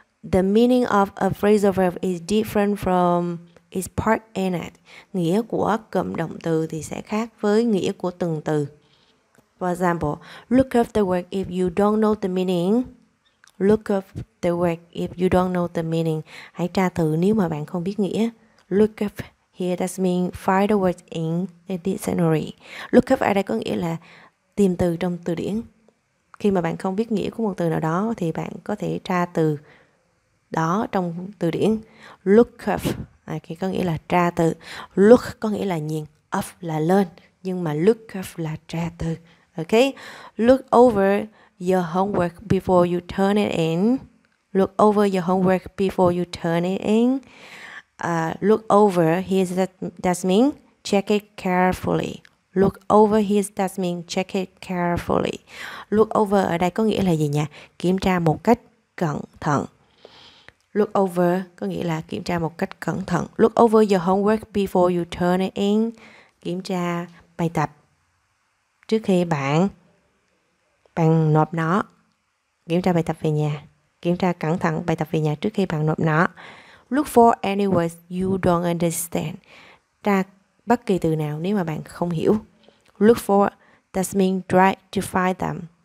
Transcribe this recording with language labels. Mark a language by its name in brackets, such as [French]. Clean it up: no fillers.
[English] The meaning of a phrasal verb is different from is part in it. [Vietnamese] Nghĩa của cụm động từ thì sẽ khác với nghĩa của từng từ. [English] For example, look up the word if you don't know the meaning. Look up the word if you don't know the meaning. [Vietnamese] Hãy tra từ nếu mà bạn không biết nghĩa. [English] Look up here does mean find the word in the dictionary. [Vietnamese] Look up ở đây có nghĩa là tìm từ trong từ điển. Khi mà bạn không biết nghĩa của một từ nào đó thì bạn có thể tra từ đó trong từ điển. Look up. À, cái có nghĩa là tra từ. Look có nghĩa là nhìn, up là lên, nhưng mà look up là tra từ. [English] Okay, look over your homework before you turn it in. Look over your homework before you turn it in. Look over his desk mean check it carefully. Look over his desk mean check it carefully. [Vietnamese] Look over ở đây có nghĩa là gì nhỉ? Kiểm tra một cách cẩn thận. Look over có nghĩa là kiểm tra một cách cẩn thận. [English] Look over your homework before you turn it in. [Vietnamese] Kiểm tra bài tập trước khi bạn nộp nó. Kiểm tra bài tập về nhà. Kiểm tra cẩn thận bài tập về nhà trước khi bạn nộp nó. [English] Look for any words you don't understand. [Vietnamese] Tra bất kỳ từ nào nếu mà bạn không hiểu. [English] Look for does mean try to find them.